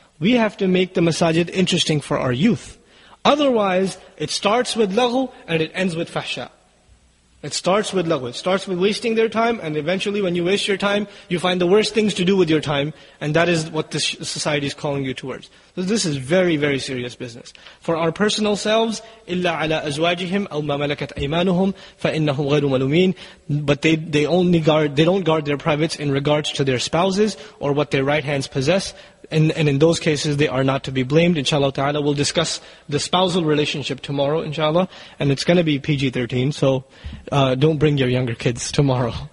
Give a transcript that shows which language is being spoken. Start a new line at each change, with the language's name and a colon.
English: We have to make the masajid interesting for our youth. Otherwise, it starts with laghu and it ends with fahsha. It starts with laghu. It starts with wasting their time, and eventually when you waste your time, you find the worst things to do with your time. And that is what this society is calling you towards. So this is very, very serious business. For our personal selves,
Arabic: إِلَّا عَلَىٰ أَزْوَاجِهِمْ أَوْ مَا مَلَكَتْ أَيْمَانُهُمْ فَإِنَّهُمْ غَيْرُ مَلُومِينَ.
English: But they don't guard their privates in regards to their spouses or what their right hands possess. And in those cases, they are not to be blamed. Inshallah ta'ala, we'll discuss the spousal relationship tomorrow, inshallah. And it's going to be PG-13, so don't bring your younger kids tomorrow.